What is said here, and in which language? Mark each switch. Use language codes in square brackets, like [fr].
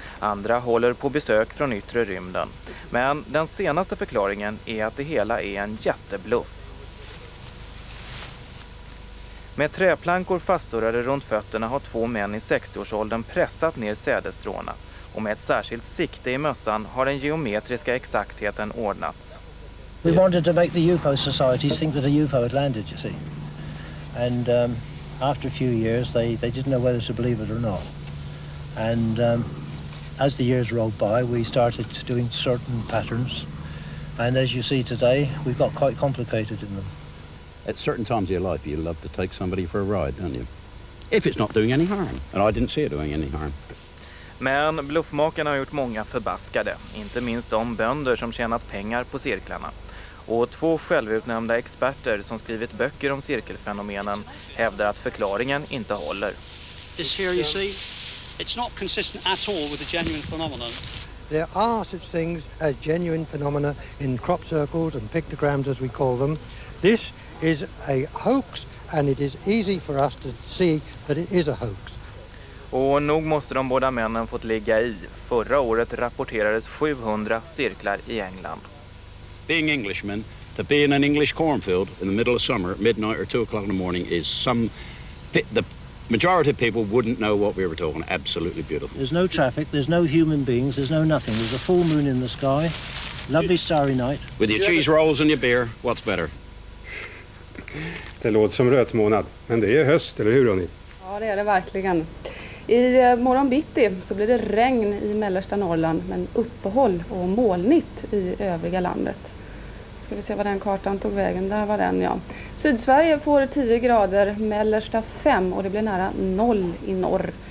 [sv] Andra håller på besök från yttre rymden. Men den senaste förklaringen är att det hela är en jättebluff. Med träplankor fastsurrade runt fötterna har två män i 60-årsåldern pressat ner sädesstråna. Och med ett särskilt sikte i mössan har den geometriska exaktheten ordnats. [en] We wanted to make the UFO society think that a UFO had landed, you see. And after a few years they didn't know whether to believe it or not. And as the years rolled by we started doing certain patterns. And as you see today we've got quite complicated in them. At certain times of your life you love to take somebody for a ride, don't you? If it's not doing any harm. And I didn't see it doing any harm. [sv] Men bluffmakarna har gjort många förbaskade, inte minst de bönder som tjänat pengar på cirklarna. Och två självutnämnda experter som skrivit böcker om cirkelfenomenen hävdar att förklaringen inte håller. [en] This here you see, it's not consistent at all with a genuine phenomenon. There are such things as genuine phenomena in crop circles and pictograms as we call them. This is a hoax and it is easy for us to see that it is a hoax. [sv] Och nog måste de båda männen fått ligga i. Förra året rapporterades 700 cirklar i England. [en] Being Englishman, to be in an English cornfield in the middle of summer, midnight or 2 o'clock in the morning, is some... The majority of people wouldn't know what we were talking. Absolutely beautiful. There's no traffic, there's no human beings, there's no nothing. There's a full moon in the sky. Lovely starry night. With your cheese rolls and your beer, what's better? [sv] Det låter som rötmånad. Men det är höst, eller hur, Ronny? Ja, det är det verkligen. I morgonbitti så blir det regn i mellersta Norrland men uppehåll och molnigt i övriga landet. Ska vi se vad den kartan tog vägen, där var den ja. Sydsverige får 10 grader, mellersta 5 och det blir nära 0 i norr.